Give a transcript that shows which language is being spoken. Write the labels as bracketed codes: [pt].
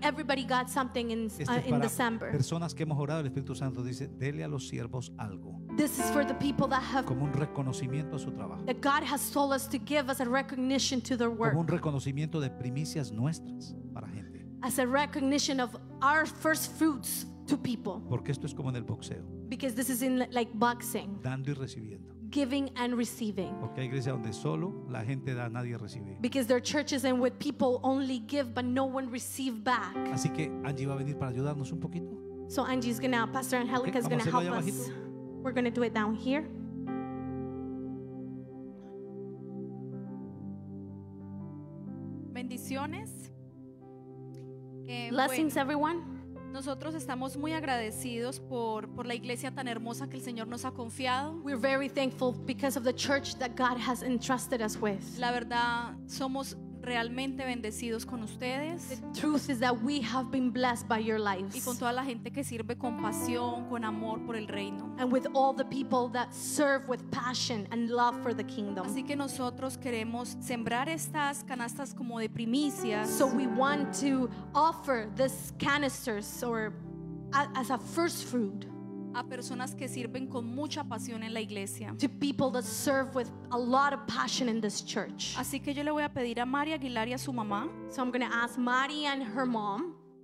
[en] Everybody got something in December. [es] Personas que hemos orado, el Espíritu Santo dice, dele a los siervos algo. [en] This is for the people that have [es] como un reconocimiento a su trabajo. [en] That God has told us to give as a recognition to their work. [es] Como un reconocimiento de primicias nuestras para gente. [en] As a recognition of our first fruits to people. [es] Porque esto es como en el boxeo. [en] Because this is in like boxing. [es] Dando y recibiendo. [en] Giving and receiving. [es] Porque hay iglesias donde solo la gente da, nadie recibe. [en] Because there are churches and with people only give but no one receive back. [es] Así que Angie va a venir para ayudarnos un poquito. [en] So Angie's gonna, Pastor Angelica okay, is gonna help [es] bajito. [en] Us. We're gonna do it down here. [es] Bendiciones. [en] Blessings, [es] bueno. [en] Everyone. [es] Nosotros estamos muy agradecidos por la iglesia tan hermosa que el Señor nos ha confiado. [en] We're very thankful because of the church that God has entrusted us with. [es] La verdad, somos realmente bendecidos con ustedes. [en] The truth is that we have been blessed by your lives. [es] Y con toda la gente que sirve con pasión, con amor por el reino. [en] And with all the people that serve with passion and love for the kingdom. [es] Así que nosotros queremos sembrar estas canastas como de primicias. [en] So we want to offer these canisters or as a first fruit. [es] A personas que sirven con mucha pasión en la iglesia. [en] To people that serve with a lot of passion in this church. [es] Así que yo le voy a pedir a Mari Aguilar y a su mamá. [en] So I'm going to ask Mari and her mom.